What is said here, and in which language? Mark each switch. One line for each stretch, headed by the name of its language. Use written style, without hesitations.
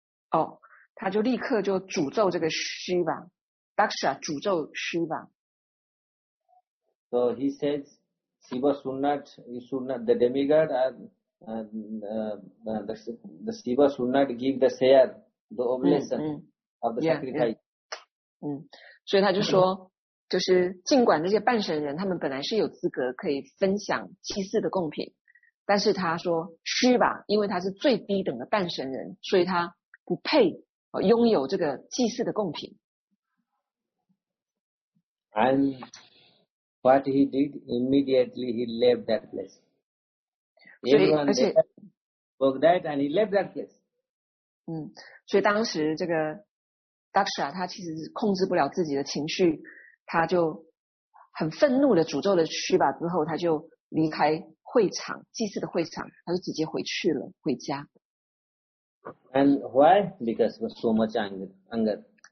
Chinese: 哦，他就立刻就诅咒这个 Shiva， Daksha 诅咒 Shiva。
English: So he says. Shiva should not, you should not, the demigod, the Shiva should not give the share, the oblation of the sacrifice.
Chinese: 所以他就说，就是尽管那些半神人，他们本来是有资格可以分享祭祀的贡品，但是他说 Shiva， 因为他是最低等的半神人，所以他不配拥有这个祭祀的贡品。
English: And... What he did, immediately he left that place. Everyone spoke that and he left that place.
Chinese: 所以当时这个 Daksha 他其实控制不了自己的情绪，他就很愤怒的诅咒了 Shiva 之后，他就离开会场，祭祀的会场，他就直接回去了，回家。
English: And why? Because was so much anger.